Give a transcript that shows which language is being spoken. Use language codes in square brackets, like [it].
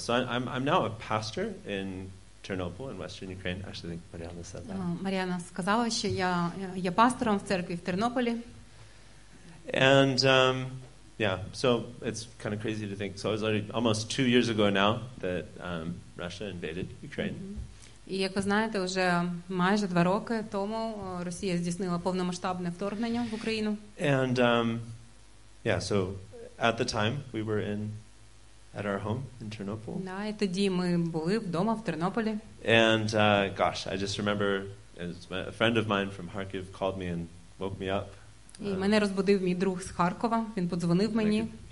[en] So, I'm now a pastor in Chernobyl in Western Ukraine. Actually, I think Mariana said that. [uk] Mariana сказала, що я пастором в церкві в Тернополі. [en] And so it's kind of crazy to think. So it was already almost 2 years ago now that Russia invaded Ukraine. [uk] І як ви знаєте, вже майже 2 роки тому Росія здійснила повномасштабне вторгнення в Україну. [en] And so at the time we were at our home in Chernobyl. [uk] Да, і тоді ми були вдома в Тернополі. [en] And I just remember a friend of mine from Kharkiv called me and woke me up. [uk] І мене розбудив мій друг з Харкова, він подзвонив мені.